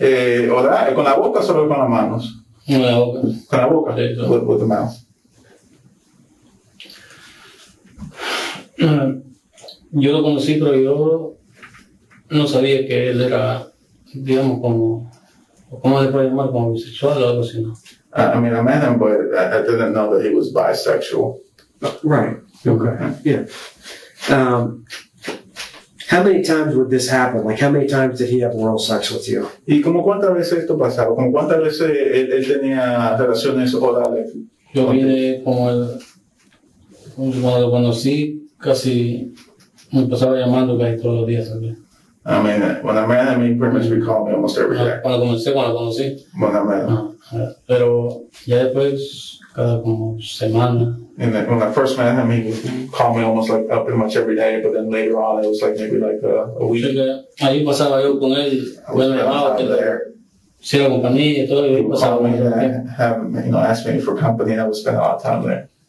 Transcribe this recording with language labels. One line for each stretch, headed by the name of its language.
Spanish: Oral, con la boca, solo con las manos. Con la boca.
English: With the mouth.
Spanish: Yo lo conocí, pero yo no sabía que él era, digamos, como, ¿cómo se puede llamar? Como bisexual o algo así, ¿no?
English: I mean, I met him, but I didn't know that he was bisexual. Right. Okay. Yeah. How many times would this happen? Like, how many times did he have oral sex with you?
Spanish: ¿Y como cuántas veces esto pasaba? ¿Como cuántas veces él tenía relaciones orales? Yo vine como él, cuando lo conocí, casi me pasaba llamando casi todos los días.
English: I mean, when I met him, he pretty much recalled me almost every day.
Spanish: Cuando comencé, cuando conocí.
English: When I met him.
Spanish: Pero ya después, cada como semana.
English: And then when I first met him, he would call me almost like up pretty much every day, but then later on it was like maybe like a week.
Spanish: Porque ahí pasaba yo con él, bueno, llamaba, si la compañía y todo, y pasaba.
English: He would have, you know, ask me for company, and I would spend a lot of time there.